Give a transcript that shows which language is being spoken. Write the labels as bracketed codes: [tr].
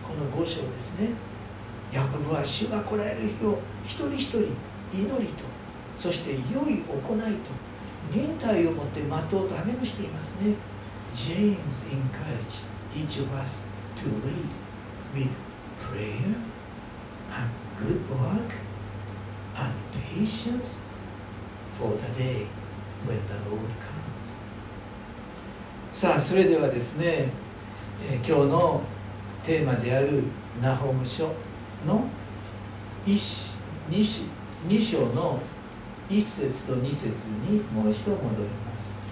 [ja] この5章ですね。ヤコブは主が来られる日を一人一人祈りと、そして良い行いと、忍耐をもって待とうと励ましていますね。 [en] James encourage each of us to wait with prayer and good work and patience for the day when the Lord comes。 [ja] さあ、それではですね、今日のテーマであるナホム書の2章の1節と2節にもう一度戻ります。